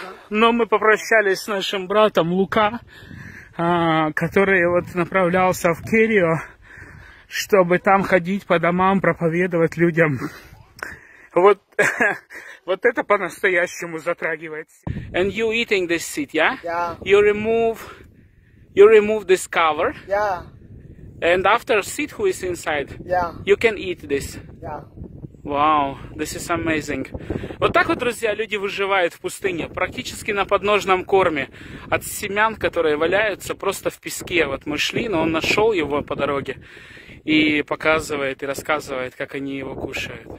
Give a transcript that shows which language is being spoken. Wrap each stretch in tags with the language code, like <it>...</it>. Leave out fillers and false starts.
<ru>Но мы попрощались с нашим братом Лука, который вот направлялся в Керио, чтобы там ходить по домам, проповедовать людям. Вот, вот это по-настоящему затрагивает.</ru> <en>And you eating this seed, yeah? Yeah. You remove this cover. Yeah. And after seed who is inside? Yeah. You can eat this. Yeah. Wow, this is amazing.</en> <ru>Вот так вот, друзья, люди выживают в пустыне, практически на подножном корме. От семян, которые валяются просто в песке. Вот мы шли, но он нашел его по дороге. И показывает, и рассказывает, как они его кушают.</ru>